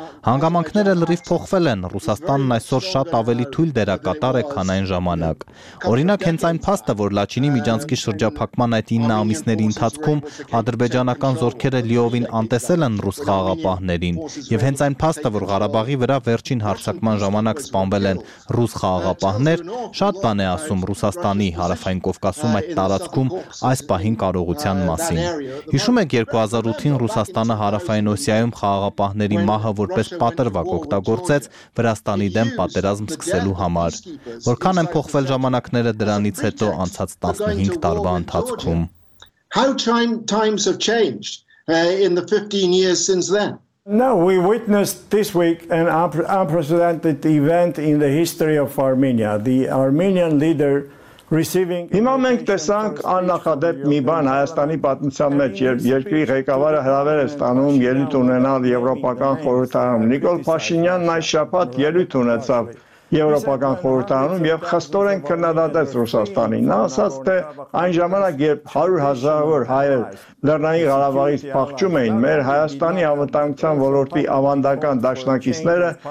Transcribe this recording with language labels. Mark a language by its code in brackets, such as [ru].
[hy] Հանգամանքները լրիվ փոխվել են, Ռուսաստանն այսօր շատ ավելի թույլ դերակատար է, քան այն ժամանակ։ Օրինակ, հենց այն փաստը, որ Լաչինի միջանցքի շրջափակման այդ 9 ամիսների ընթացքում ադրբեջանական զորքերը լիովին անտեսել են ռուս խաղապահներին, եւ հենց այն փաստը, որ Ղարաբաղի վրա վերջին հարձակման ժամանակ սպանվել են ռուս խաղապահներ, շատ բան է ասում Ռուսաստանի հարավային Կովկասում այդ տարածքում այս պահին կարողության մասին։ Հիշում եք 2008-ին Ռուսաստանը հարավային Օսիայում խաղապահների մահը որպես պատրվակ օգտագործեց Վրաստանի դեմ պատերազմ սկսելու համար։ Որքան են փոխվել ժամանակները դրանից հետո անցած 15 տարվա ընթացքում։ [en] How times have changed in the 15 years since then. Now we witnessed this week an unprecedented event in the history of Armenia. The Armenian leader receiving [hy] Հիմա մենք տեսանք աննախադեպ մի բան Հայաստանի պատմության մեջ, երբ երկրի ղեկավարը հրավեր է ստանում ելույթ ունենալ եվրոպական խորհրդարանում։ Նիկոլ Փաշինյանն այս շաբաթ ելույթ ունեցավ Եվրոպական խորհրդանանում եւ խստորեն քննադատեց Ռուսաստանին։ Նա ասաց, թե այն ժամանակ, երբ 100 հազարավոր հայեր Լեռնային Ղարաբաղից փախչում էին, մեր Հայաստանի Անվտանգության ոլորտի ավանդական դաշնակիցները